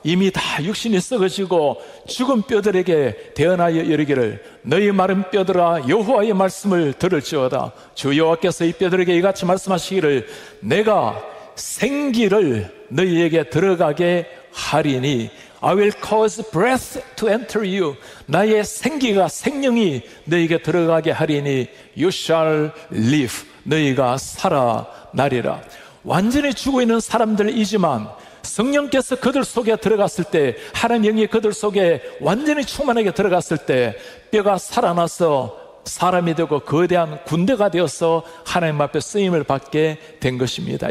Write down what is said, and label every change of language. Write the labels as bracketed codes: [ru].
[ko] 이미 다 육신이 썩어지고 죽은 뼈들에게 대언하여 이르기를, 너희 마른 뼈들아 여호와의 말씀을 들을지어다. 주 여호와께서 이 뼈들에게 이같이 말씀하시기를, 내가 생기를 너희에게 들어가게 하리니. [en] I will cause breath to enter you. [ko] 나의 생기가, 생명이 너희에게 들어가게 하리니. [en] You shall live. [ko] 너희가 살아나리라. 완전히 죽어 있는 사람들이지만 성령께서 그들 속에 들어갔을 때, 하나님의 영이 그들 속에 완전히 충만하게 들어갔을 때 뼈가 살아나서 사람이 되고 거대한 군대가 되어서 하나님 앞에 쓰임을 받게 된 것입니다.